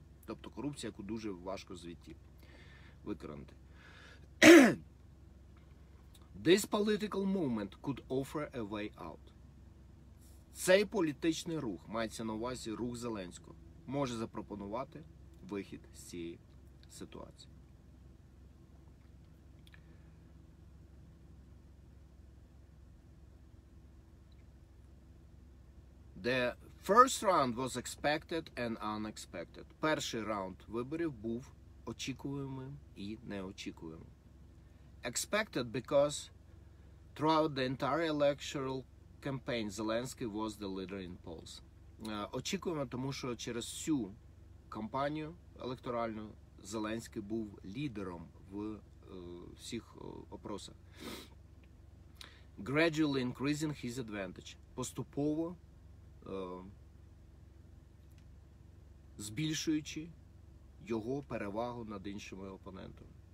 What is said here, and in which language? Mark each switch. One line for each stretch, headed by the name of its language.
Ukrainian: Тобто корупція, яку дуже важко звідти викоренити.
English: This political movement could offer a way out.
Ukrainian: Цей політичний рух, мається на увазі рух Зеленського, може запропонувати вихід з цієї ситуації.
English: The first round was expected and unexpected.
Ukrainian: Перший раунд виборів був очікуваним і неочікуваним.
English: Expected because throughout the entire electoral campaign Zelensky was the leader in polls.
Ukrainian: Очікуваним, тому що через всю кампанію електоральну Зеленський був лідером в всіх опросах.
English: Gradually increasing his advantage.
Ukrainian: Поступово збільшуючи його перевагу над іншими опонентами.